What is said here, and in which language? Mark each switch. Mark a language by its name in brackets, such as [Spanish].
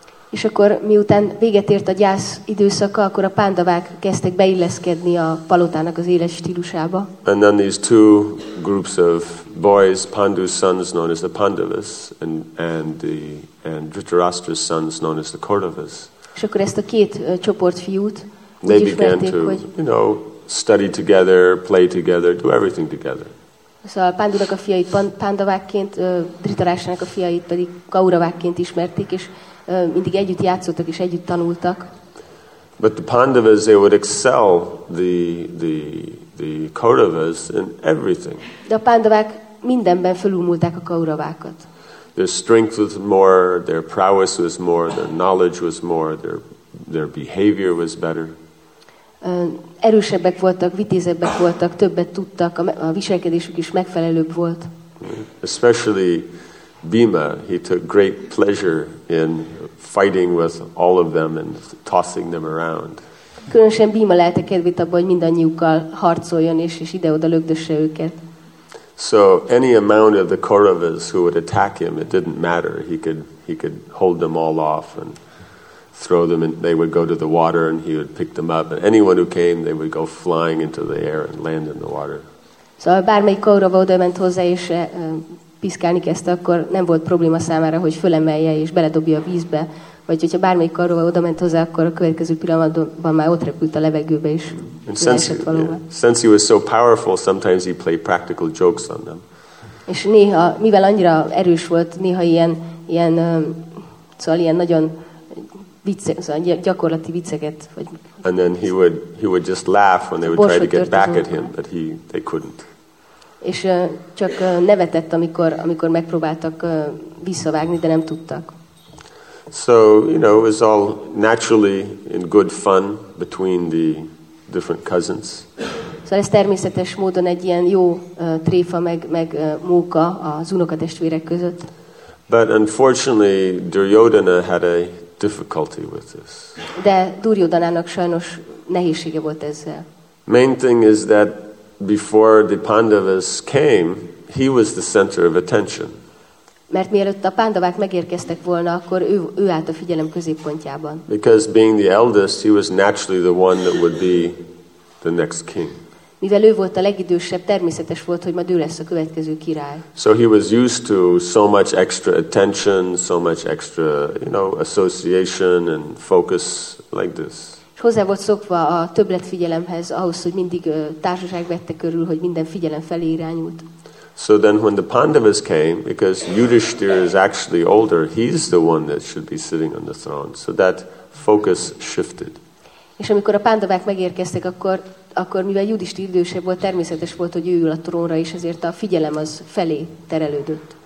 [Hungarian] És akkor miután véget ért a gyász időszaka, akkor a pándavák kezdtek beilleszkedni a palotának az élet stílusába. [English] And then these two groups of boys, Pandu's sons known as the Pandavas, and Dhritarashtra's sons known as the Kauravas. [Hungarian] És akkor ezt a két csoport fiút, [English] they began to, you know, study together, play together, do everything together. [Hungarian] Szóval Pándúnak a fiait pándavákként, Dhritarashtrának a fiait pedig Kauravákként ismerték, és mindig együtt játszottak és együtt tanultak. [English] But the Pandavas, they would excel the Kauravas in everything. [Hungarian] De a Pandavák mindenben fölülmúlták a Kauravákat. [English] Their strength was more, their prowess was more, their knowledge was more, their behavior was better. [Hungarian] Erősebbek voltak, vitézebbek voltak, többet tudtak, a viselkedésük is megfelelőbb volt. [English] Especially Bhima, he took great pleasure in fighting with all of them and tossing them around. [Hungarian] Különösen Bhima lehet a kedvét abban, hogy mindannyiukkal harcoljon és ide-oda lögdösse őket. [English] So any amount of the Kauravas who would attack him, it didn't matter. He could hold them all off and throw them, and they would go to the water and he would pick them up. And anyone who came, they would go flying into the air and land in the water. [Hungarian] Szóval bármelyik Kaurava odament hozzá és piszkálni kezdte, akkor nem volt probléma számára, hogy fölemelje és beledobja a vízbe. Vagy hogyha bármelyik Kaurava odament hozzá, akkor a következő pillanatban már ott repült a levegőbe is. [English] Since he was so powerful, sometimes he played practical jokes on them. [Hungarian] És néha, mivel annyira erős volt, néha ilyen nagyon vicce, szóval gyakorlati vicceket. Vagy, [English] and then he would just laugh when they would try to get back at him, but they couldn't. [Hungarian] És csak nevetett, amikor megpróbáltak visszavágni, de nem tudtak. [English] So, you know, it was all naturally in good fun between the different cousins. [Hungarian] Szóval ez természetes módon egy ilyen jó tréfa meg móka az unokatestvérek között. [English] But unfortunately, Duryodhana had a difficulty with this. [Hungarian] De Duryodhanának sajnos nehézsége volt ezzel. [English] Main thing is that before the Pandavas came, he was the center of attention. [Hungarian] Mert mielőtt a Pandavák megérkeztek volna, akkor ő állt a figyelem középpontjában. [English] Because being the eldest, he was naturally the one that would be the next king. [Hungarian] Mivel ő volt a legidősebb, természetes volt, hogy majd ő lesz a következő király. [English] So he was used to so much extra attention, so much extra, you know, association and focus like this. [Hungarian] Hozzá volt szokva a többletfigyelemhez, ahhoz, hogy mindig társaság vette körül, hogy minden figyelem felé irányult. [English] So then when the Pandavas came, because Yudhishthira is actually older, he's the one that should be sitting on the throne. So that focus shifted. [Hungarian] És amikor a Pandavák megérkeztek, akkor mivel Yudhishthira idősebb volt, természetes volt, hogy ő ül a trónra, és ezért a figyelem az felé terelődött.